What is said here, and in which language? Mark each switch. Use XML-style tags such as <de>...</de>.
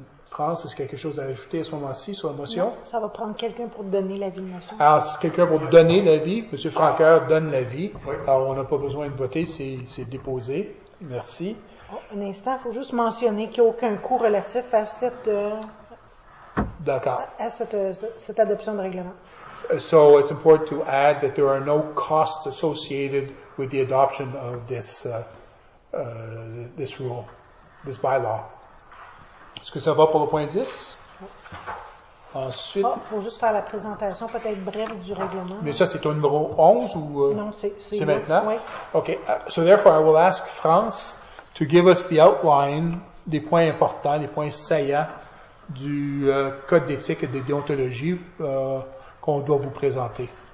<fr>France, est-ce quelque chose à ajouter à ce moment-ci sur la motion? Non, ça va prendre quelqu'un pour donner l'avis de motion. Alors, c'est quelqu'un pour donner l'avis. Monsieur Francaire donne l'avis. Oui. Alors, on n'a pas besoin de voter, c'est déposé. Merci. Oh, un instant, il faut juste mentionner qu'il n'y a aucun coût relatif à cette... D'accord. À cette adoption de règlement.</fr> <en>So, it's important to add that there are no costs associated with the adoption of this, this rule, this bylaw.</en> <fr>Est-ce que ça va pour le point 10? Oui. Ensuite... Ah, pour juste faire la présentation peut-être brève du règlement. Mais ça, c'est au numéro 11 ou... Non, c'est maintenant? Oui.</fr> <en>OK. So therefore, I will ask France to give us the outline</en> <fr>des points importants, des points saillants du code d'éthique et de déontologie qu'on doit vous présenter.</fr>